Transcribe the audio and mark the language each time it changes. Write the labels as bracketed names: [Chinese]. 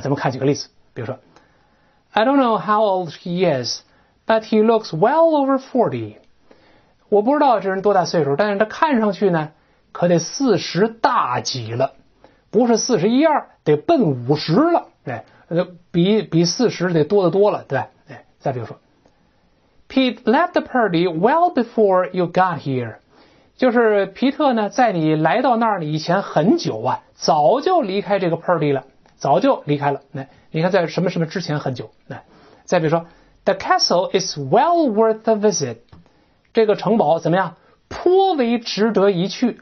[Chinese] 咱们看几个例子，比如说 [English] I don't know how old he is，But he looks well over 40. [Chinese] 我不知道这人多大岁数，但是他看上去呢可得四十大几了，不是四十一二，得奔五十了，对，比四十得多得多了，对吧？再比如说 [English] Pete left the party well before you got here. [Chinese] 就是皮特呢在你来到那里以前很久啊，早就离开这个 party 了，早就离开了，你看在什么什么之前很久。再比如说 [English] The castle is well worth a visit. [Chinese] 这个城堡怎么样？颇为值得一去。